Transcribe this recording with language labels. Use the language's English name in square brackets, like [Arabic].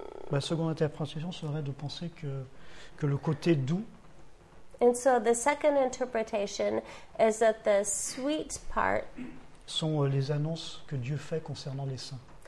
[French] la seconde interprétation serait de penser que le côté doux. [English] And so the second interpretation is that the sweet part [French] sont les annonces que Dieu fait concernant les saints.